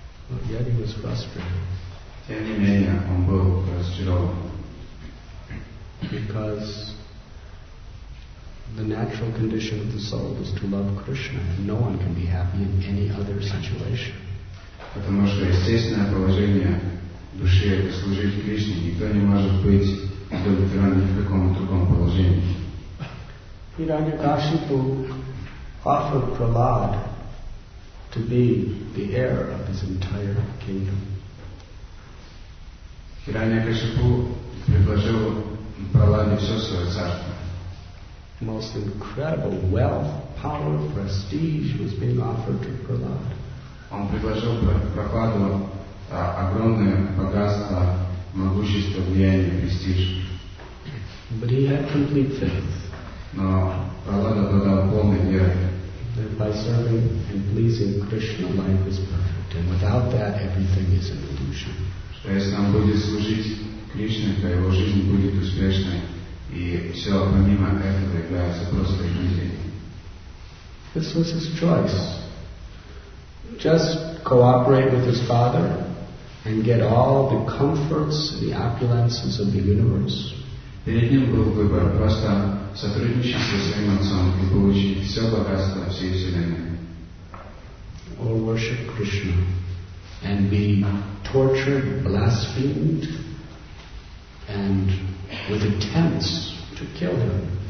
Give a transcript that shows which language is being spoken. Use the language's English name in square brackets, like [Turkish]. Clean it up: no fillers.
[English] But yet he was frustrated. [Russian] Тем не менее, он был разочарован. [English] Because the natural condition of the soul is to love Krishna, and no one can be happy in any other situation. [Russian] Потому что естественное положение души — это служить Кришне. Никто не может быть удовлетворен ни в каком другом положении. [English] Hiranyakashipu offered Prahlad to be the heir of his entire kingdom. [Russian] Hiranyakashipu предложил Прахладе все свое царство. [English] The most incredible wealth, power, prestige was being offered to Prahlad. [Russian] Он предложил Прахладу огромное богатство, могущество, влияние, престиж. [English] But he had complete faith. [Russian] Но Прахлада обладал полной верой. [English] That by serving and pleasing Krishna, life is perfect, and without that, everything is an illusion. [Russian] Что если он будет служить Кришне, то его жизнь будет успешной, и все помимо этого является просто иллюзией. [English] This was his choice. Just cooperate with his father and get all the comforts and the opulences of the universe. [Russian] Перед ним был выбор просто сотрудничать со своим отцом и получить все богатство всей вселенной. [English] Or worship Krishna and be tortured, blasphemed, and with attempts to kill him.